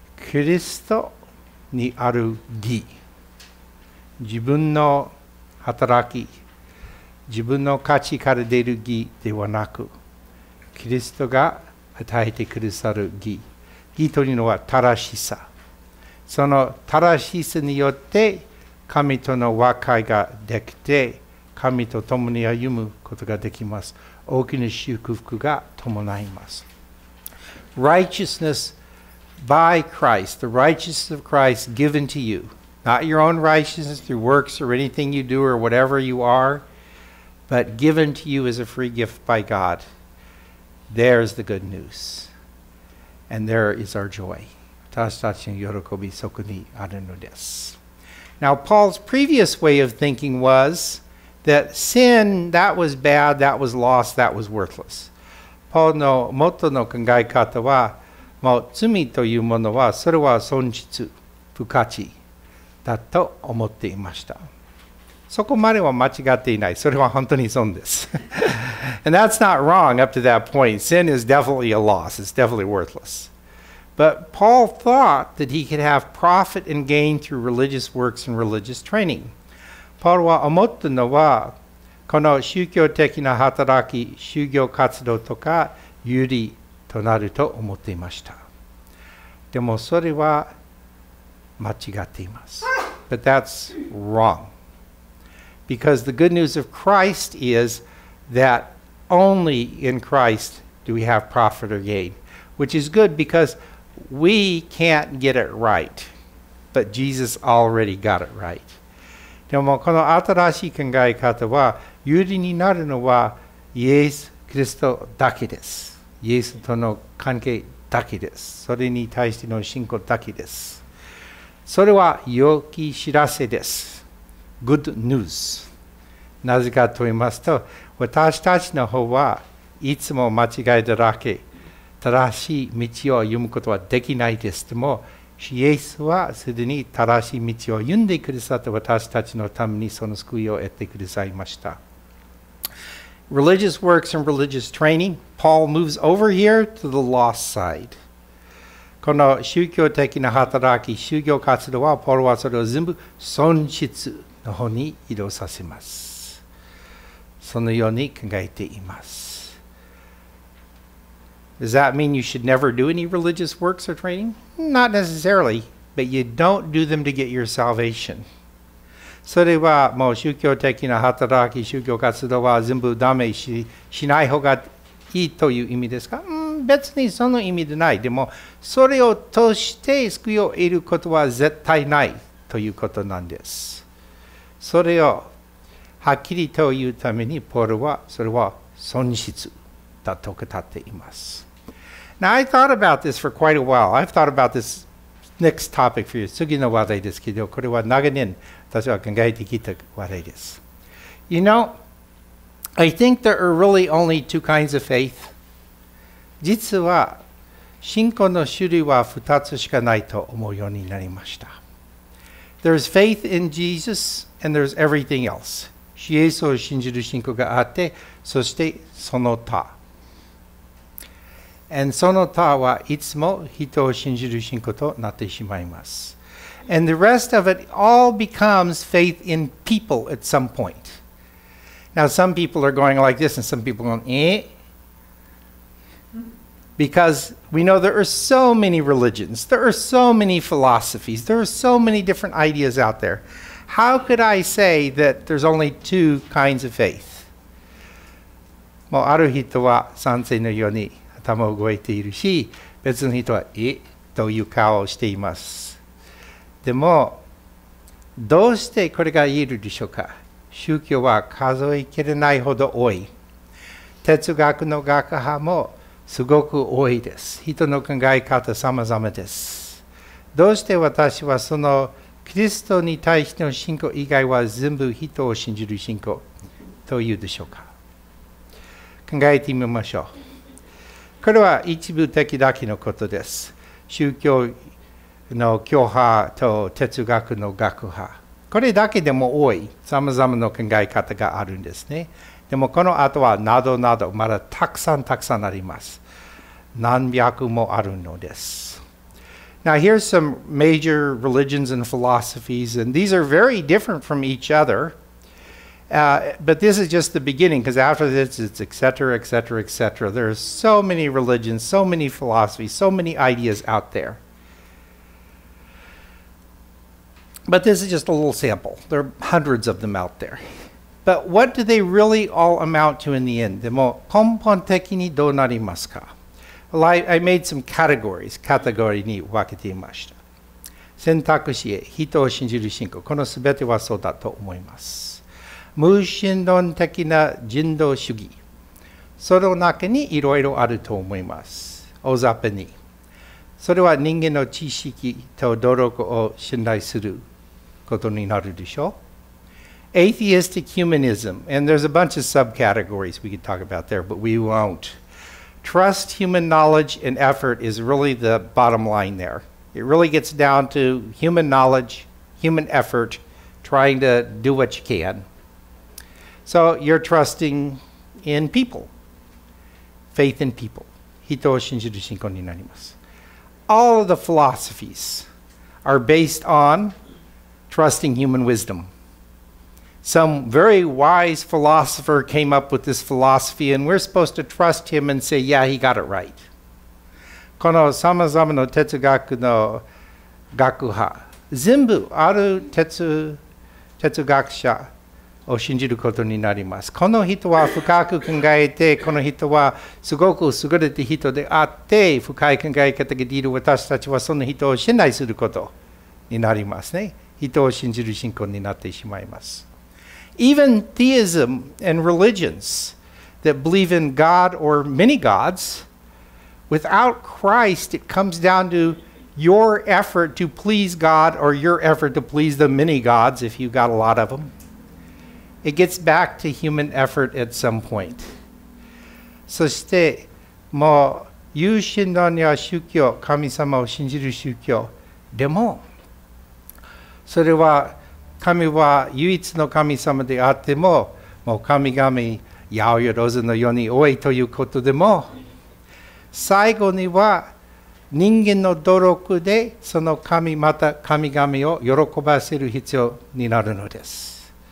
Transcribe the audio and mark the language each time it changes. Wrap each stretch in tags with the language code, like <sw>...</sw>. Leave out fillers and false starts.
<ja>キリストにある義、自分の働き、自分の価値から出る義ではなく、キリストが与えてくださる義。義というのは正しさ。その正しさによって神との和解ができて、神と共に歩むことができます。大きな祝福が伴います。</ja> <en>Righteousness by Christ, the righteousness of Christ given to you. Not your own righteousness through works or anything you do or whatever you are, but given to you as a free gift by God. There's the good news. And there is our joy.</en> <ja>私たちの喜びそこにあるのです。</ja> <en>Now, Paul's previous way of thinking was that sin, that was bad, that was lost, that was worthless.</en> <ja>Paul の元の考え方は、もう罪というものは、それは損失、不価値。だと思っていました。そこまでは間違っていない。それは本当に損です。</ja> <en>And that's not wrong up to that point. Sin is definitely a loss. It's definitely worthless. But Paul thought that he could have profit and gain through religious works and religious training.</en> <ja>パウロは思ったのは、この宗教的な働き、修行活動とか有利となると思っていました。でもそれは間違っています。</ja> <en>But that's wrong. Because the good news of Christ is that only in Christ do we have profit or gain. Which is good because we can't get it right. But Jesus already got it right.</en> <ja>でもこの新しい考え方は有利になるのはイエス・キリストだけです。イエスとの関係だけです。それに対しての信仰だけです。それは良き知らせです。</ja> <en>Good news。</en> <ja>なぜかと言いますと、私たちの方はいつも間違いだらけ、正しい道を歩むことはできないです。でもイエスはすでに正しい道を歩んでくださって、私たちのためにその救いを得てくださいました。</ja> <en>Religious works and religious training, Paul moves over here to the lost side.</en> <ja>この宗教的な働き、宗教活動は、ポールはそれを全部損失の方に移動させます。そのように考えています。</ja> <en>Does that mean you should never do any religious works or training? Not necessarily, but you don't do them to get your salvation.</en> <ja>それはもう宗教的な働き、宗教活動は全部ダメ、しない方がいいという意味ですか？別にその意味でない。でもそれを通して救いを得ることは絶対ないということなんです。それをはっきりと言うために、ポールはそれは損失だと語っています。</ja> <en>Now, I thought about this for quite a while. I've thought about this next topic for you.</en> <ja>次の話題ですけど、これは長年私は考えてきた話題です。</ja> <en>You know, I think there are really only two kinds of faith.</en> <ja>実は信仰の種類は二つしかないと思うようになりました。</ja> <en>There's faith in Jesus and there's everything else.</en> <ja>イエスを信じる信仰があって、そしてその他。</ja> <en>And</en> <ja>その他はいつも人を信じる信仰となってしまいます。</ja> <en>And the rest of it all becomes faith in people at some point. Now some people are going like this and some people are going, eh? Because we know there are so many religions, there are so many philosophies, there are so many different ideas out there. How could I say that there's only two kinds of faith?</en> <ja>もうある人は賛成のように、頭を動いているし、別の人はえという顔をしています。でも、どうしてこれが言えるでしょうか？宗教は数えきれないほど多い。哲学の学派もすごく多いです。人の考え方さまざまです。どうして私はそのキリストに対しての信仰以外は全部人を信じる信仰というでしょうか？考えてみましょう。これは一部的だけのことです。宗教の教派と哲学の学派。これだけでも多い。さまざまな考え方があるんですね。でもこの後はなどなど、まだたくさんたくさんあります。何百もあるのです。</ja> <en>Now here's some major religions and philosophies, and these are very different from each other. But this is just the beginning, because after this, it's et cetera, et cetera, et cetera. There are so many religions, so many philosophies, so many ideas out there. But this is just a little sample. There are hundreds of them out there. But what do they really all amount to in the end?</en> <ja>でも根本的にどうなりますか?</ja> <en>Well, I made some categories.</en> <ja>Category に分けていました。選択肢へ、人を信じる信仰。このすべてはそうだと思います。無神論的な人道主義、その中にいろいろあると思います。大雑把に、それは人間の知識と努力を信頼することになるでしょう。</ja> <en>Atheistic humanism, and there's a bunch of subcategories we could talk about there, but we won't. Trust human knowledge and effort is really the bottom line there. It really gets down to human knowledge, human effort, trying to do what you canSo you're trusting in people. Faith in people.</en> <ja>人を信じる信仰になります。</ja> <en>all of the philosophies are based on trusting human wisdom. Some very wise philosopher came up with this philosophy, and we're supposed to trust him and say, yeah, he got it right.</en> <ja>この様々な哲学の学派、全部ある哲学者を信じることになります。この人は深く考えて、この人はすごく優れた人であって、深い考え方ができる私たちはその人を信頼することになりますね。人を信じる信仰になってしまいます。</ja> <en>Even theism and religions that believe in God or many gods, without Christ, it comes down to your effort to please God or your effort to please the many gods, if you got a lot of them. It gets back to human effort at some point.</en> <ja>そしてもう有神論や宗教、神様を信じる宗教でもそれは神は唯一の神様であっても、もう神々、八百万のように多いということでも、最後には人間の努力でその神、また神々を喜ばせる必要になるのです。</ja>